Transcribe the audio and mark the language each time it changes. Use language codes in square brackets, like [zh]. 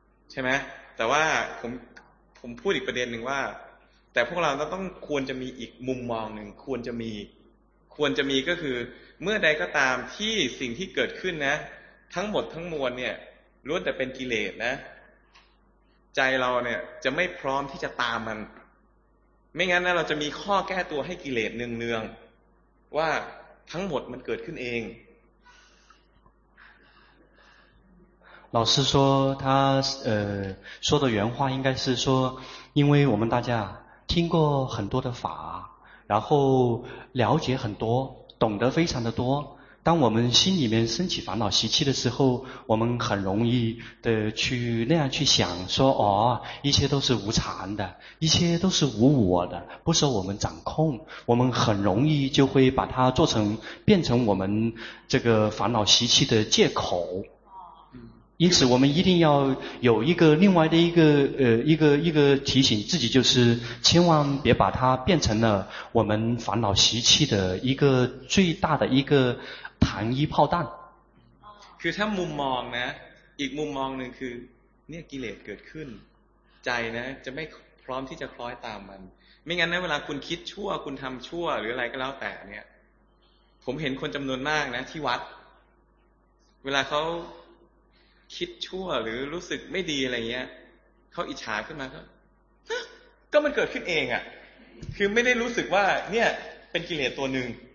[th] ใช่ไหมแต่ว่าผมพูดอีกประเด็นหนึ่งว่าแต่พวกเราต้องควรจะมีอีกมุมมองหนึ่งควรจะมีก็คือเมื่อใดก็ตามที่สิ่งที่เกิดขึ้นนะทั้งหมดทั้งมวลเนี่ยล้วนแต่เป็นกิเลสนะใจเราเนี่ยจะไม่พร้อมที่จะตามมันไม่งั้นนะเราจะมีข้อแก้ตัวให้กิเลสเนืองๆว่าทั้งหมดมันเกิดขึ้นเอง [zh] 老师说他说的原话应该是说因为我们大家听过很多的法，然后了解很多，懂得非常的多。当我们心里面升起烦恼习气的时候，我们很容易的去那样去想说，哦，一切都是无常的，一切都是无我的，不受我们掌控。我们很容易就会把它变成我们这个烦恼习气的借口。因此我们一定要有一个另外的一个提醒自己，就是千万别把它变成了我们烦恼习气的一个最大的一个糖衣炮弹。 [th] คือถ้ามุมมองนะอีกมุมมองหนึ่งคือเนี่ยกิเลสเกิดขึ้นใจนะจะไม่พร้อมที่จะคล้อยตามมันไม่งั้นนะเวลาคุณคิดชั่วคุณทำชั่วหรืออะไรก็แล้วแต่เนี่ยผมเห็นคนจำนวนมากนะที่วัดเวลาเขาคิดชั่วหรือรู้สึกไม่ดีอะไรเงี้ยเขาอิจฉาขึ้นมาก็มันเกิดขึ้นเองอ่ะคือไม่ได้รู้สึกว่าเนี่ยเป็นกิเลสตัวหนึ่ง